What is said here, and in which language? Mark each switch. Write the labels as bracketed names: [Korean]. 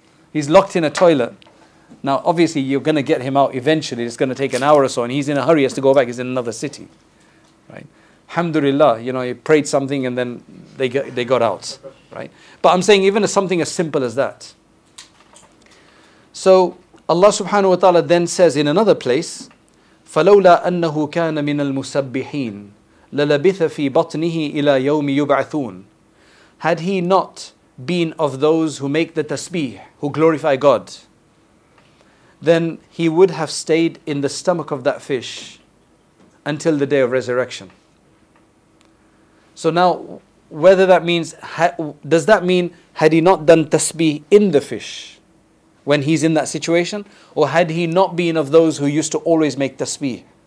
[English] He's locked in a toilet. Now, obviously, you're going to get him out eventually. It's going to take an hour or so and he's in a hurry, he has to go back, he's in another city. Right? Alhamdulillah, you know, he prayed something and then they got out. Right? But I'm saying even something as simple as that. So Allah subhanahu wa ta'ala then says in another place, [Arabic] فَلَوْلَا أَنَّهُ كَانَ مِنَ الْمُسَبِّحِينَ لَلَبِثَ فِي بَطْنِهِ إِلَى يَوْمِ يُبْعَثُونَ. [English] Had he not been of those who make the tasbih, who glorify God, then he would have stayed in the stomach of that fish until the day of resurrection. So now, whether that means, does that mean, had he not done tasbih in the fish when he's in that situation, or had he not been of those who used to always make tasbih?